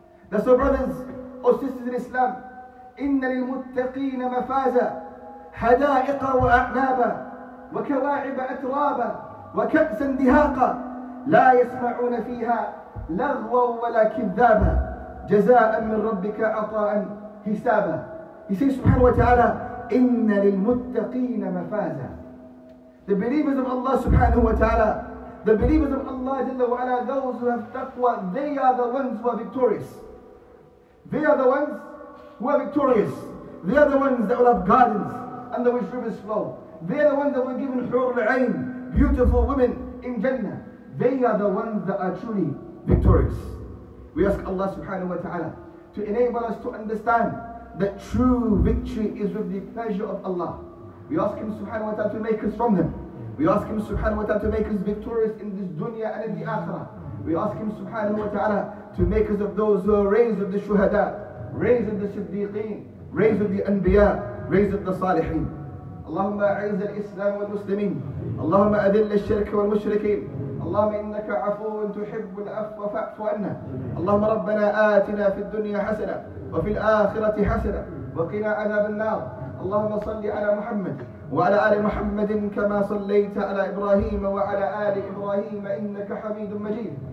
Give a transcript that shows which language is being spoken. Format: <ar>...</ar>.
<en>That's so, brothers or sisters in Islam,</en> <ar>Inna lil muttaqeena mafaza, hada'iqa wa a'naba, wa kawa'iba atraba, wa ka'san dihaqa, la yasma'una fiha لغوا ولا كذابا جزاء من ربك عطاء حسابا.</ar> <en>He says</en> <ar>سبحانه وتعالى إن للمتقين مفازا.</ar> <en>The believers of Allah سبحانه وتعالى, the believers of Allah جل وعلا, those who have taqwa, they are the ones who are victorious. They are the ones who are victorious. They are the ones that will have gardens under which rivers flow. They are the ones that were given حور العين, beautiful women in Jannah. They are the ones that are truly victorious. We ask Allah subhanahu wa ta'ala to enable us to understand that true victory is with the pleasure of Allah. We ask Him subhanahu wa ta'ala to make us from them. We ask Him subhanahu wa ta'ala to make us victorious in this dunya and in the akhirah. We ask Him subhanahu wa ta'ala to make us of those who are raised of the shuhada, raised of the siddiqeen, raised of the anbiya, raised of the salihin.</en> <ar>Allahumma a'izz al-islam wal-muslimin. Allahumma adill al-shirk wal-mushrikeen. اللهم إنك عفو تحب العفو فاعف عنا. اللهم ربنا آتنا في الدنيا حسنة وفي الآخرة حسنة وقنا عذاب النار. اللهم صل على محمد وعلى آل محمد كما صليت على إبراهيم وعلى آل إبراهيم إنك حميد مجيد.</ar>